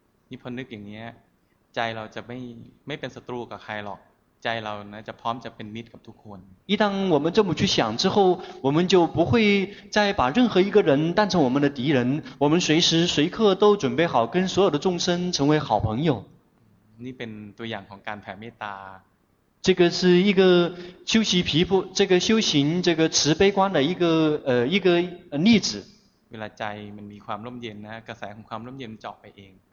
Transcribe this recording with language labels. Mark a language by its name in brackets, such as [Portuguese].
[Thai] นี่พอนึกอย่างนี้ใจเราจะไม่เป็นศัตรูกับใครหรอกใจเรานะจะพร้อมจะเป็นมิตรกับทุกคน [Chinese] 一旦我们这么去想之后我们就不会再把任何一个人当成我们的敌人我们随时随刻都准备好跟所有的众生成为好朋友 [Thai] นี่เป็นตัวอย่างของการแผ่เมตตา [Chinese] 这个是一个修习毗婆这个修行这个慈悲观的一个例子 [Thai] เวลาใจมันมีความร่มเย็นนะกระแสของความร่มเย็นจอกไปเอง